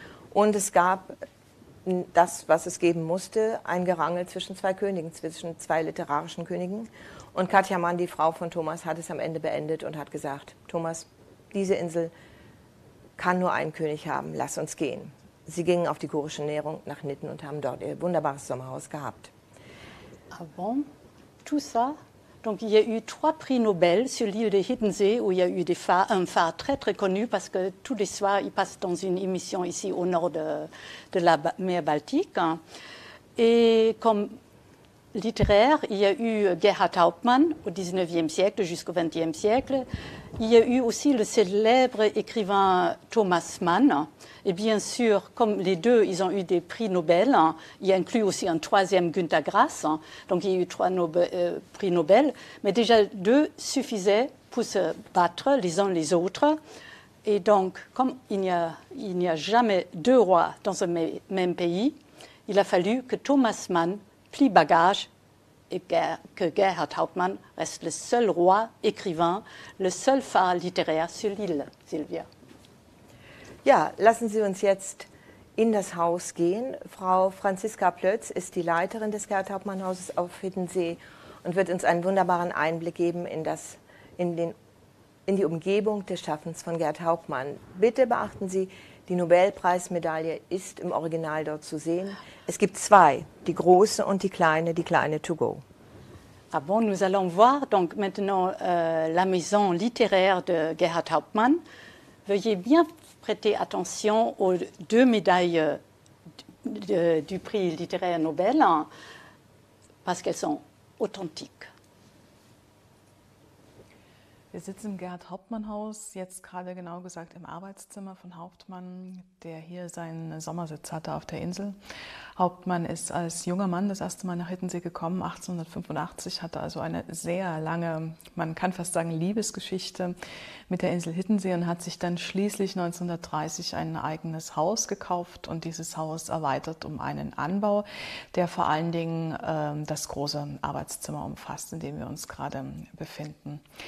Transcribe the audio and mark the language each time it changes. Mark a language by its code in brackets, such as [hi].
[de] Und es gab das, was es geben musste, ein Gerangel zwischen 2 Königen, zwischen 2 literarischen Königen. Und Katja Mann, die Frau von Thomas, hat es am Ende beendet und hat gesagt, Thomas, diese Insel kann nur einen König haben, lass uns gehen. Sie gingen auf die Kurische Nährung nach Nitten und haben dort ihr wunderbares Sommerhaus gehabt. [fr] Ah bon, tout ça? Donc il y a eu 3 prix Nobel sur l'île de Hiddensee, où il y a eu des phares, un phare très très connu, parce que tous les soirs, il passe dans une émission ici au nord de la mer Baltique. Et comme littéraire, il y a eu Gerhard Hauptmann au 19e siècle jusqu'au 20e siècle. Il y a eu aussi le célèbre écrivain Thomas Mann. Et bien sûr, comme les deux, ils ont eu des prix Nobel. Il y a inclus aussi un 3e, Günter Grass. Donc, il y a eu 3 prix Nobel. Mais déjà, 2 suffisaient pour se battre les uns les autres. Et donc, comme il n'y a jamais 2 rois dans un même pays, il a fallu que Thomas Mann plie bagage et que Gerhard Hauptmann reste le seul roi écrivain, le seul phare littéraire sur l'île, Sylvia. [de] Ja, lassen Sie uns jetzt in das Haus gehen. Frau Franziska Plötz ist die Leiterin des Gerhard Hauptmann Hauses auf Hiddensee und wird uns einen wunderbaren Einblick geben in die Umgebung des Schaffens von Gerhard Hauptmann. Bitte beachten Sie, die Nobelpreismedaille ist im Original dort zu sehen. Es gibt 2, die große und die kleine to go. [fr] Ah bon, nous allons voir donc maintenant la maison littéraire de Gerhard Hauptmann. Veuillez bien prêtez attention aux 2 médailles du prix littéraire Nobel, hein, parce qu'elles sont authentiques. [de] Wir sitzen im Gerhard Hauptmann Haus, jetzt gerade genau gesagt im Arbeitszimmer von Hauptmann, der hier seinen Sommersitz hatte auf der Insel. Hauptmann ist als junger Mann das erste Mal nach Hiddensee gekommen, 1885, hatte also eine sehr lange, man kann fast sagen Liebesgeschichte mit der Insel Hiddensee und hat sich dann schließlich 1930 ein eigenes Haus gekauft und dieses Haus erweitert um einen Anbau, der vor allen Dingen das große Arbeitszimmer umfasst, in dem wir uns gerade befinden.